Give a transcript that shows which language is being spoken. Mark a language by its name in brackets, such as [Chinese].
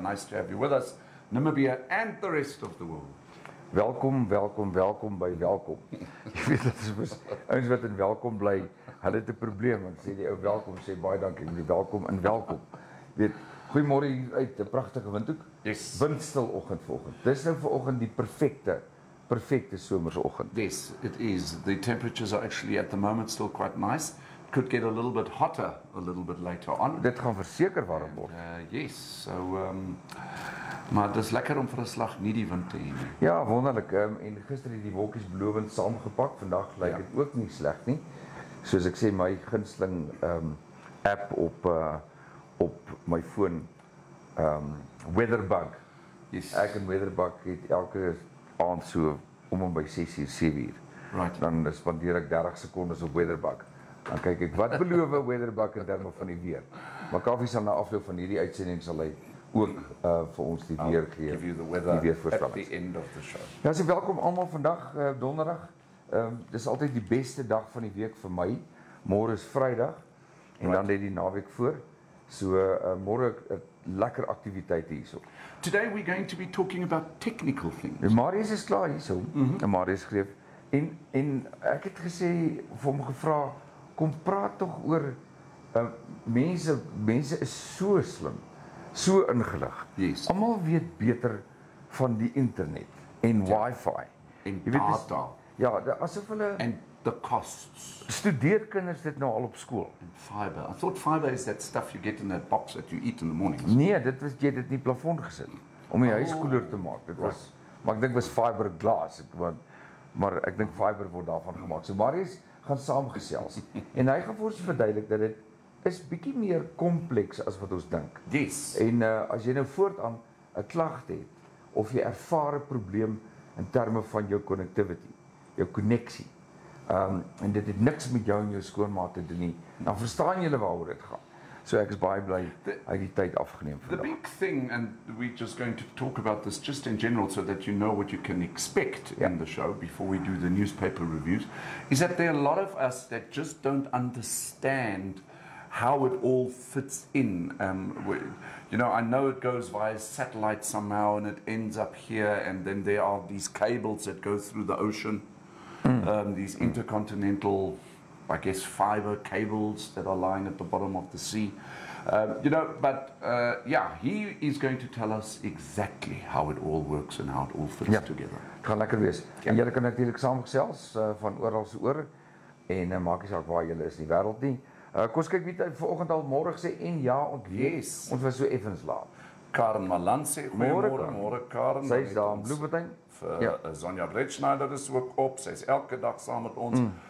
[English] Nice to have you with us, Namibia and the rest of the world. [Afrikaans] Welkom, welkom, welkom by welkom. Jy weet, dit is mis, ons wat in welkom bly, hulle het 'n probleem, want sê die ou welkom, sê baie dankie, moet die welkom in welkom. Weet, goeiemorgen uit, 'n prachtige windhoek. [English] Yes. [Afrikaans] Windstil ochend volgend. Dis nou vir ochend die perfecte somersochend. [English] Yes, it is. The temperatures are actually at the moment still quite nice. It could get a little bit hotter a little bit later on. [Afrikaans] Dit gaan verseker warm word. [English] Yes, so... [Afrikaans] Maar dis lekker om vir 'n slag nie die wind te hê. Ja, wonderlik. En gister het die wolkies belovend saamgepak. Vandag lyk dit ook nie sleg nie. Soos ek sê, my gunsteling app op my foon, Weatherbug. [English] Yes. [Afrikaans] Ek en Weatherbug het elke aand so om en by 6:00, 7:00. [English] Right. [Afrikaans] Dan spandeer ek 30 sekondes op Weatherbug. Dan kyk ek, wat beloof Weatherbug in terme van die weer? Maar Kaffie sal na afloop van hierdie uitsending sal hy ook vir ons die weer gee. [English] Give you the weather at the end of the show. [Afrikaans] Ja, so welkom allemaal vandag, donderdag. Dis altyd die beste dag van die week vir my. Môre is Vrydag en right. Dan lê die naweek voor. So môre lekker aktiwiteite hierso. [English] Today we're going to be talking about technical things. [Afrikaans] Marius is klaar hierso. Mm-hmm. Marius Greeff. En ek het gesê, vir hom gevra, kom praat tog oor mense is so slim. So ingelig. [English] Yes. [Afrikaans] Almal weet beter van die internet en wifi. En jy weet, data. Ja, asof hulle... [English] And the costs. [Afrikaans] Studeer kinders dit nou al op school. [English] And fiber. I thought fiber is that stuff you get in that box that you eat in the morning. [Afrikaans] Nee, dit was, jy het dit nie plafond gesit. Om die huis koeler te maak. Dit was, maar ek dink was fiberglas. Maar ek dink fiber word daarvan gemaakt. So Marius gaan saamgesels. En hy gaan voor ons verduidelik dat dit is bietjie meer kompleks as wat ons dink. Yes. En as jy nou voortaan 'n klagte het, of jy ervaar 'n probleem in terme van jou connectivity, jou koneksie, en dit het niks met jou en jou skoonmaat te doen nie, dan verstaan jy waaroor dit gaan. So ek is baie bly, uit die tyd afgeneem vandag. [English] The big thing, and we're just going to talk about this just in general, so that you know what you can expect in the show, before we do the newspaper reviews, is that there are a lot of us that just don't understand how it all fits in. You know, I know it goes via satellite somehow and it ends up here, and then there are these cables that go through the ocean, these intercontinental, I guess, fiber cables that are lying at the bottom of the sea. You know, but yeah, he is going to tell us exactly how it all works and how it all fits together. [Afrikaans] Het gaan lekker wees. En jy kan natuurlik saamgesels van oralse oor, en maak nie saak waar jy is in die wêreld nie. Kom ons kyk wie het vanoggend al môre gesê en ja, [English] yes. [Afrikaans] Ons was so effens laat. Karen Malan sê, môre Karen. Sy is daar in Bloemfontein. Sonja Bretschneider is ook op, sy is elke dag saam met ons.